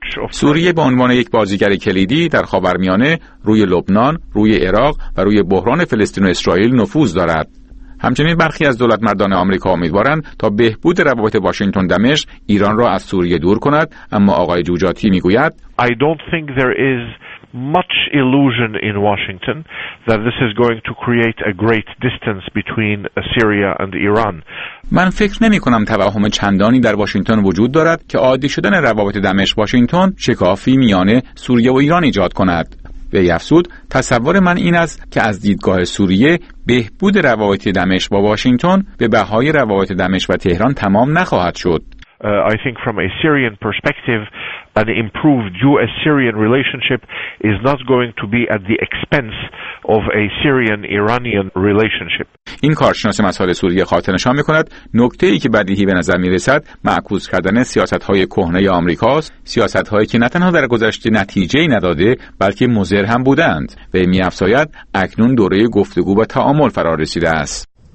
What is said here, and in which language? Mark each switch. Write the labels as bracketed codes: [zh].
[fa] سوریه به عنوان یک بازیگر کلیدی در خاورمیانه روی لبنان، روی عراق و روی بحران فلسطین و اسرائیل نفوذ دارد. همچنین برخی از دولت مردان آمریکا امیدوارند تا بهبود روابط واشنگتن دمشق ایران را از سوریه دور کند، اما آقای جوجاتی میگوید [en] I don't think there is much illusion in Washington that this is going to create a great distance between Syria and Iran. [fa] من فکر نمی‌کنم توهم چندانی در واشنگتن وجود دارد که عادی شدن روابط دمشق واشنگتن شکافی میان سوریه و ایران ایجاد کند. به افسود تصور من این است که از دیدگاه سوریه بهبود روابط دمشق با واشنگتن به بهای روابط دمشق و تهران تمام نخواهد شد. [en] I think from a Syrian perspective an improved US-Syrian relationship is not going to be at the expense of a Syrian-Iranian relationship. [fa] این کارشناس مسائل سوریه خاطر نشان می‌کند نکته‌ای که بدیهی به نظر می‌رسد معکوس کردن سیاست‌های کهنه آمریکا است، سیاست‌هایی که نه تنها در گذشته نتیجه‌ای نداده بلکه مضر هم بودند و می‌افزاید اکنون دوره گفتگو و تعامل فرا رسیده است.